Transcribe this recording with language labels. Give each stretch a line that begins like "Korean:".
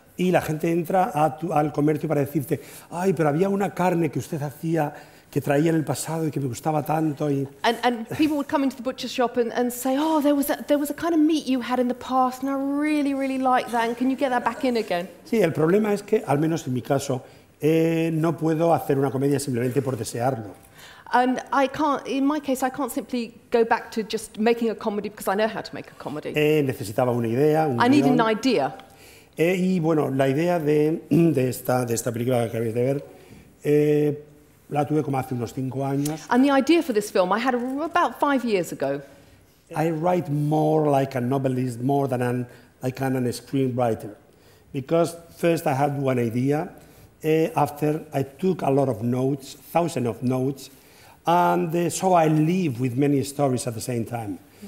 Spanish: Y la gente entra al comercio para decirte, ay, pero había una carne que usted hacía, que traía en el pasado y que me gustaba tanto. Y...
English: And people would come into the butcher shop and say, oh, there was a kind of meat you had in the past and I really, really like that. And can you get that back in again?
Spanish: Sí, el problema es que, al menos en mi caso, no puedo hacer una comedia simplemente por desearlo.
English: And I can't, in my case, I can't simply go back to just making a comedy because I know how to make a comedy.
Spanish: Necesitaba una idea, un
English: guion. I need an idea.
Spanish: Y bueno, la idea de esta película que acabáis de ver, la tuve como hace unos 5 años.
English: And the idea for this film, I had about 5 years ago. I write more like a novelist, more than a screenwriter. Because first I had one idea, after I took a lot of notes, thousands of notes, and so I live with many stories at the same time.